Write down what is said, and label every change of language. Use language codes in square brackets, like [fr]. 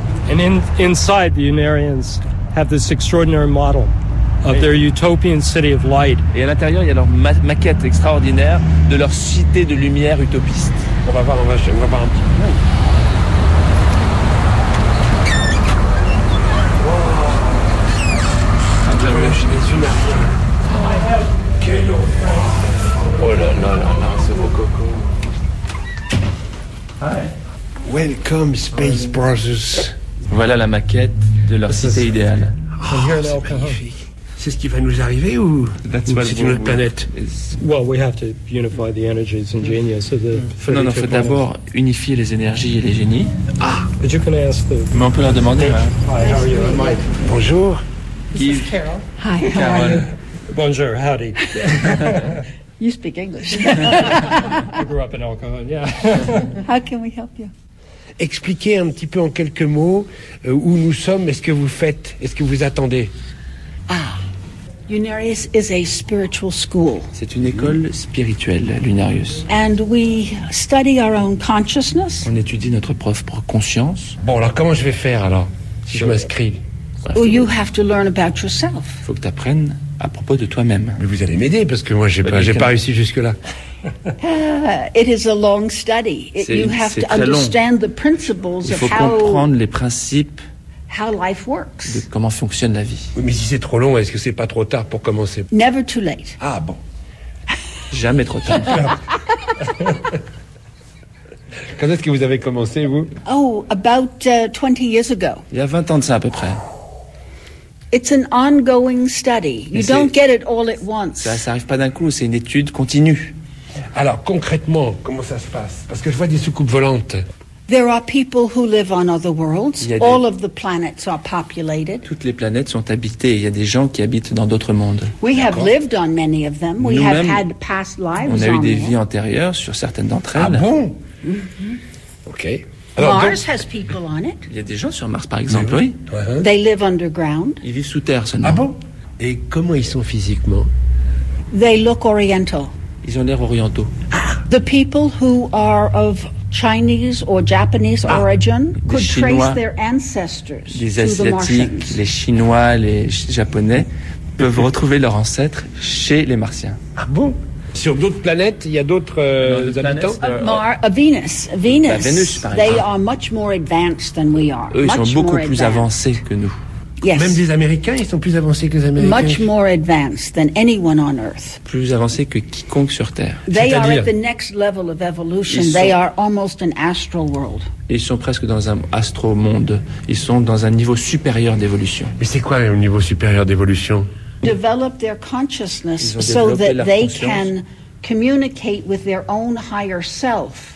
[en] And inside, the Unarians have this extraordinary model of their utopian city of light. [fr] Et à l'intérieur, il y a leur maquette extraordinaire de leur cité de lumière utopiste. On va voir un petit. Wow. Oh là là là, c'est beaucoup. [en] Hi. Welcome, Space Brothers. [fr] Voilà la maquette de leur cité idéale. Oh, c'est magnifique. c'est ce qui va nous arriver ou c'est une autre planète? [en] Well, we have to unify the energies and genius. So the [fr] non, non, faut d'abord unifier les énergies et les génies. Ah. [en] But you can ask the... [fr] Mais on peut leur demander. Hey. [en] Hi, how are you? Mike. Bonjour. This is Carol. Hi, how are you? [fr] Bonjour, howdy. [en] You speak English. I grew up in El Cajon, yeah. How can we help you? [fr] Expliquez un petit peu en quelques mots où nous sommes et ce que vous faites et ce que vous attendez. [en] Ah, Lunarius is a spiritual school. [fr] C'est une école spirituelle, Lunarius. [en] And we study our own consciousness. [fr] On étudie notre propre conscience. Bon, alors comment je vais faire alors si je m'inscris? [en] Well, you have to learn about yourself. [fr] Il faut que tu apprennes à propos de toi-même. Mais vous allez m'aider parce que moi j'ai pas réussi jusque là. [en] It is a long study. You have to understand the principles of how. [fr] Il faut comprendre les principes. [en] How life works. [fr] De comment fonctionne la vie. Oui, mais si c'est trop long, est-ce que c'est pas trop tard pour commencer? [en] Never too late. [fr] Ah bon. Jamais trop tard. Quand est-ce que vous avez commencé vous? [en] Oh, about 20 years ago. [fr] Il y a 20 ans de ça à peu près. [en] It's an ongoing study. You don't get it all at once. [fr] Ça n'arrive pas d'un coup, c'est une étude continue. Alors, concrètement, comment ça se passe? Parce que je vois des soucoupes volantes. [en] There are people who live on other worlds. All of the planets are populated. [fr] Toutes les planètes sont habitées. Il y a des gens qui habitent dans d'autres mondes. [en] We have lived on many of them. We have had past lives. [fr] On a eu des vies antérieures sur certaines d'entre elles. Ah bon? Mm-hmm. OK. [en] Alors, Mars has people on it. [fr] Il y a des gens sur Mars, par exemple, oui. [en] They live underground. [fr] Ils vivent sous terre seulement. Ah bon? Et comment ils sont physiquement? [en] They look oriental. [fr] Ils ont l'air orientaux. [en] The people who are of Chinese or Japanese origin could [fr] Chinois, [en] trace their ancestors. [fr] Les Asiatiques, les Chinois, les Japonais peuvent retrouver leurs ancêtres chez les Martiens. Ah bon? Sur d'autres planètes, il y a d'autres habitants. Venus. Venus, par exemple. [en] They are much more advanced than we are. [fr] Eux, ils sont beaucoup plus avancés que nous. [en] Yes. [fr] Même des Américains, ils sont plus avancés que les Américains. [en] Much more advanced than anyone on Earth. [fr] Plus avancés que quiconque sur Terre. [en] They are at the next level of evolution. They are almost an astral world. [fr] Ils sont presque dans un astro-monde. Ils sont dans un niveau supérieur d'évolution. Mais c'est quoi un niveau supérieur d'évolution? [en] Develop their consciousness so that they can communicate with their own higher self.